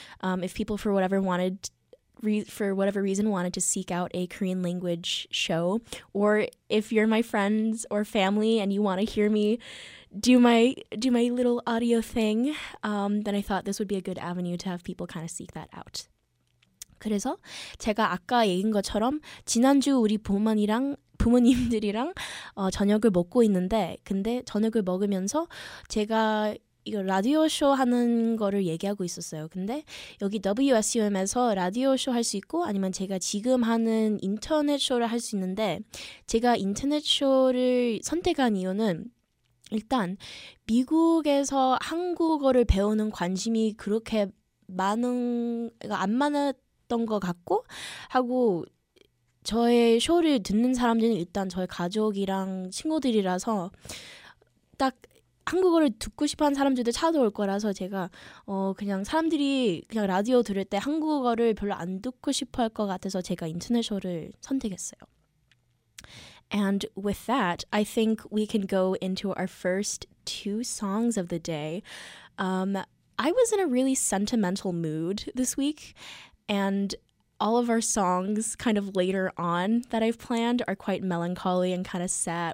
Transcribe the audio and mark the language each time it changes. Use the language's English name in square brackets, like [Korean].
[English] If people, for whatever wanted to, for whatever reason, wanted to seek out a Korean language show, or if you're my friends or family and you want to hear me do my little audio thing, then I thought this would be a good avenue to have people kind of seek that out. [Korean] 그래서 제가 아까 얘기한 것처럼 지난주 우리 부모님들이랑 저녁을 먹고 있는데 근데 저녁을 먹으면서 제가 이거 라디오 쇼 하는 거를 얘기하고 있었어요. 근데 여기 WSUM에서 라디오 쇼 할 수 있고 아니면 제가 지금 하는 인터넷 쇼를 할 수 있는데 제가 인터넷 쇼를 선택한 이유는 일단 미국에서 한국어를 배우는 관심이 그렇게 안 많았던 것 같고 하고 저의 쇼를 듣는 사람들은 일단 저의 가족이랑 친구들이라서 딱 한국어를 듣고 싶어하는 사람들도 찾아올 거라서 제가 그냥 사람들이 그냥 라디오 들을 때 한국어를 별로 안 듣고 싶어할 것 같아서 제가 인터넷 쇼를 선택했어요. [English] And with that, I think we can go into our first two songs of the day. I was in a really sentimental mood this week, and all of our songs kind of later on that I've planned are quite melancholy and kind of sad.